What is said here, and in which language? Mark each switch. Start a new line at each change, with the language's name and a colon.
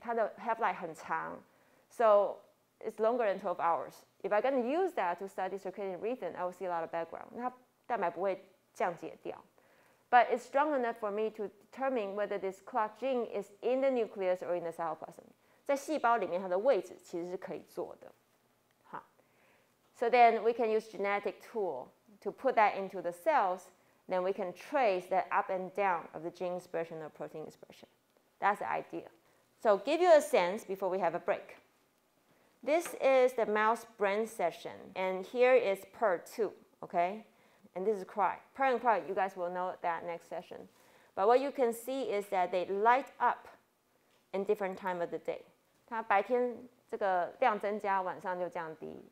Chinese: 它的
English: half life
Chinese: 很长.
English: So it's longer than 12 hours. If I'm going to use that to study circadian rhythm, I will see a lot of background.
Chinese: 那蛋白不会降解掉.
English: But it's strong enough for me to determine whether this clock gene is in the nucleus or in the cytoplasm.
Chinese: 在细胞里面它的位置其实是可以做的.
English: So then we can use genetic tool to put that into the cells. Then we can trace the up and down of the gene expression or protein expression. That's the idea. So give you a sense before we have a break. This is the mouse brain session, and here is purr 2, okay? And this is cry. Purr and cry, you guys will know that next session. But what you can see is that they light up in different time of the day.
Chinese: 它白天这个量增加，晚上就降低.